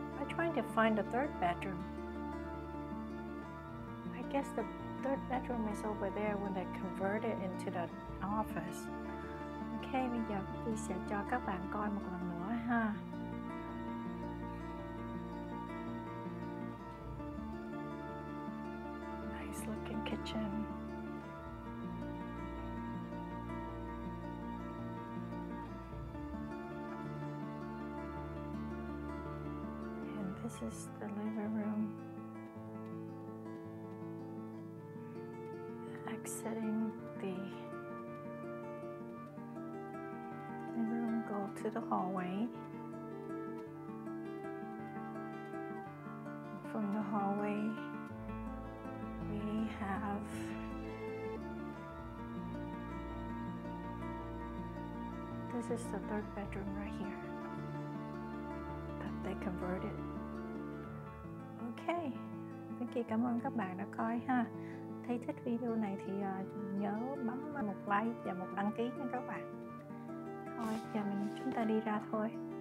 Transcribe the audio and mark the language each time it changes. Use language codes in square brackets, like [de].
[en] Trying to find the third bedroom. I guess the third bedroom is over there when they convert it into the office. [vi] Okay, bây giờ thì sẽ cho các bạn coi một lần nữa ha. [en] Nice looking kitchen. This is the living room. Exiting the living room, go to the hallway. From the hallway, we have this is the third bedroom right here that they converted. [vi] Okay, Vicky, cảm ơn các bạn đã coi ha. Thấy thích video này thì nhớ bấm một like và một đăng ký nha các bạn. Thôi, giờ mình chúng ta đi ra thôi.